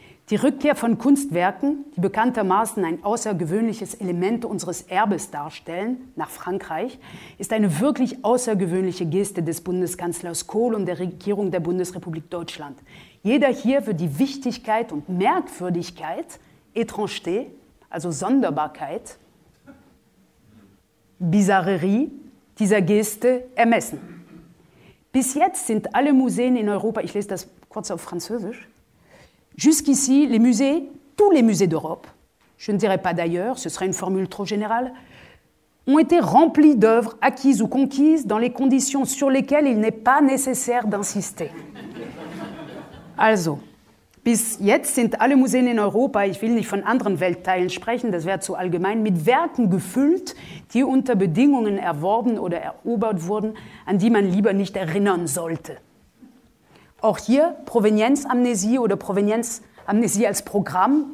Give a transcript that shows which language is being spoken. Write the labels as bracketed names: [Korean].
[German] Die Rückkehr von Kunstwerken, die bekanntermaßen ein außergewöhnliches Element unseres Erbes darstellen, nach Frankreich, ist eine wirklich außergewöhnliche Geste des Bundeskanzlers Kohl und der Regierung der Bundesrepublik Deutschland. Jeder hier wird die Wichtigkeit und Merkwürdigkeit, étrangeté, also Sonderbarkeit, Bizarrerie dieser Geste ermessen. Bis jetzt sind alle Museen in Europa, ich lese das kurz auf Französisch, [French] jusqu'ici, les musées, tous les musées d'Europe, je ne dirais pas d'ailleurs, ce serait une formule trop générale, ont été remplis d'œuvres acquises ou conquises dans les conditions sur lesquelles il n'est pas nécessaire d'insister. [German] Also, bis jetzt sind alle Museen in Europa, ich will nicht von anderen Weltteilen sprechen, das wäre zu allgemein, mit Werken gefüllt, die unter Bedingungen erworben oder erobert wurden, an die man lieber nicht erinnern sollte. Auch hier Provenienzamnesie oder Provenienzamnesie als Programm.